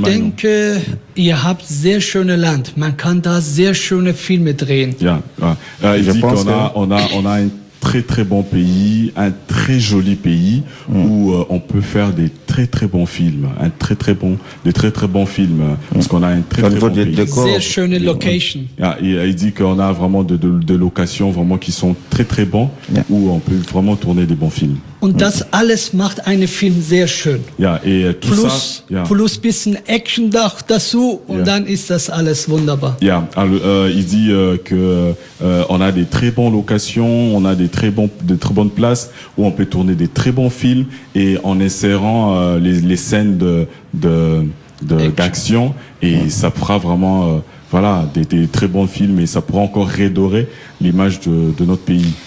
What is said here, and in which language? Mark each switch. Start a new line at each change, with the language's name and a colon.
German: denke, ihr habt sehr schöne Land. Man kann da sehr schöne Filme drehen. Ja, ich denke,
French: on a ein très très bon pays, un très joli pays où on peut faire des très très bons films, des très très bons films parce qu'on a un très très bon pays.
German: Décor. Sehr schöne Location.
French: Ja, il dit qu'on a vraiment des locations vraiment qui sont très très bons où on peut vraiment tourner des bons films.
German: Und das alles macht einen Film sehr schön.
French: Ja, et tout plus, ça. Yeah.
German: Plus bisschen Action dazu und dann ist das alles wunderbar.
French: Ja, il dit que on a des très bonnes locations, on a des très bonnes places où on peut tourner des très bons films et en insérant les scènes de d'action et ça fera vraiment des très bons films et ça pourra encore redorer l'image de notre pays.